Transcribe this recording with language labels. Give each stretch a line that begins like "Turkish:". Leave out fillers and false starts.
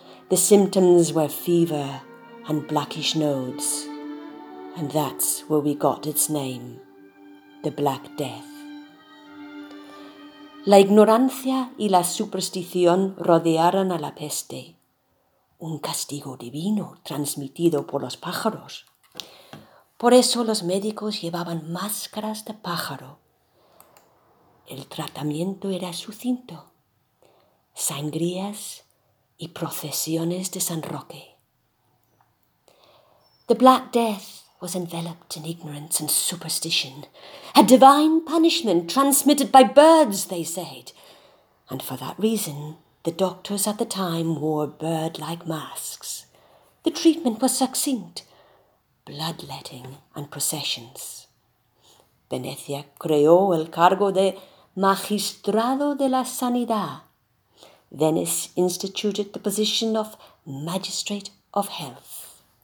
English: The symptoms were fever and blackish nodes, and that's where we got its name, the Black Death.
Spanish: La ignorancia y la superstición rodearon a la peste, un castigo divino transmitido por los pájaros. Por eso los médicos llevaban máscaras de pájaro. El tratamiento era sucinto: sangrías y procesiones de San Roque.
English: The Black Death was enveloped in ignorance and superstition, a divine punishment transmitted by birds, they said. And for that reason, the doctors at the time wore bird-like masks. The treatment was succinct: bloodletting and processions.
Spanish: Venecia creó el cargo de Magistrado de la Sanidad.
English: Venice instituted the position of Magistrate of Health.